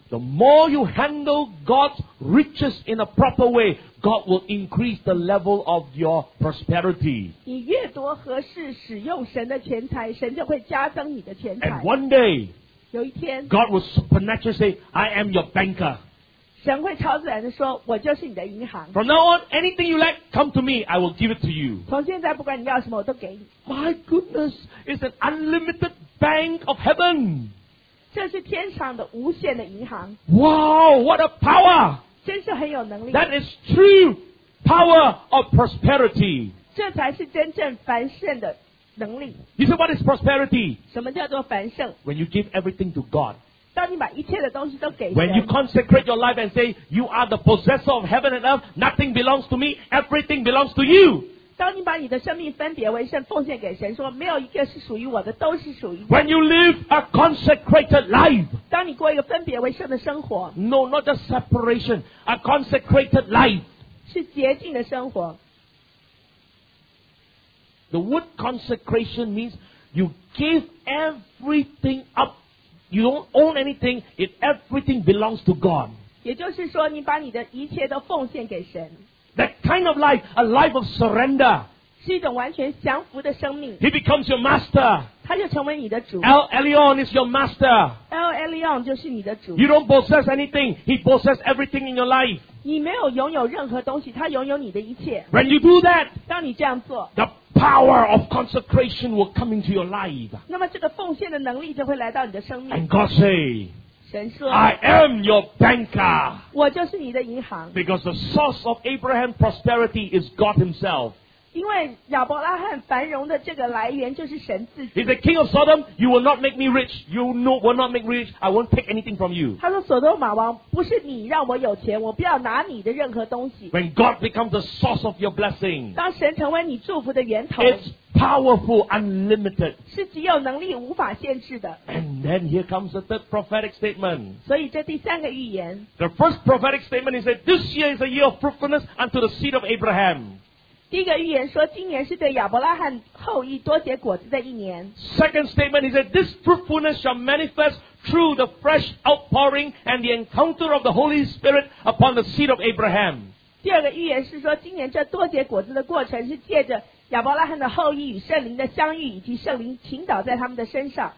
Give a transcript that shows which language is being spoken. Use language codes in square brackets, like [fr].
[en] The more you handle God's riches in a proper way, God will increase the level of your prosperity. [zh] 你越多合适使用神的钱财，神就会加增你的钱财 [en] And one day, [zh] 有一天 [en] God will supernaturally say, I am your banker. [zh] 神会超自然地说我就是你的银行。 [en] From now on, anything you like, come to me, I will give it to you. [zh] 从现在不管你要什么我都给你。 [en] My goodness, it's an unlimited bank of heaven. [zh] 这是天上的无限的银行。 [en] Wow, what a power! [zh] 真是很有能力。 [en] That is true power of prosperity. [zh] 这才是真正繁盛的能力 [en] You say what is prosperity? [zh] 什么叫做繁盛 [en] When you give everything to God [zh] 当你把一切的东西都给神 [en] When you consecrate your life and say You are the possessor of heaven and earth Nothing belongs to me Everything belongs to you [zh] 当你把你的生命分别为圣奉献给神说没有一个是属于我的都是属于你 [en] When you live a consecrated life [zh] 当你过一个分别为圣的生活 [en] No, not just separation A consecrated life [zh] 是洁净的生活 [en] The word consecration means you give everything up. You don't own anything. If everything belongs to God. [zh] 也就是说你把你的一切都奉献给神。 [en] That kind of life, a life of surrender. [zh] 是一种完全降服的生命。 [en] He becomes your master. [zh] 他就成为你的主。 [en] El Elyon is your master. [zh] El Elyon 就是你的主。 [en] You don't possess anything, he possesses everything in your life. [zh] 你没有拥有任何东西，他拥有你的一切。 [en] When you do that, [zh] 当你这样做， [en] the power of consecration will come into your life. [zh] 那么这个奉献的能力就会来到你的生命。 [en] And God say,I am your banker. [zh] 我就是你的银行。 [en] Because the source of Abraham's prosperity is God himself. [zh] 因为亚伯拉罕繁荣的这个来源就是神自己。 [en] He said, King of Sodom, you will not make me rich. You will not make me rich. I won't take anything from you. [zh] 他说索多玛王不是你让我有钱，我不要拿你的任何东西。 [en] When God becomes the source of your blessing, [zh] 当神成为你祝福的源头， [en] it's powerful, unlimited. [zh] 是极有能力无法限制的。 [en] And then here comes the third prophetic statement. [zh] 所以这第三个预言。 [en] The first prophetic statement is that this year is a year of fruitfulness unto the seed of Abraham. [zh] 第一个预言说今年是对亚伯拉罕后裔多结果子的一年。 [en] Second statement is that this fruitfulness shall manifest through the fresh outpouring and the encounter of the Holy Spirit upon the seed of Abraham. [zh] 第二个预言是说今年这多结果子的过程是借着亚伯拉罕的后裔与圣灵的相遇，以及圣灵倾倒在他们的身上。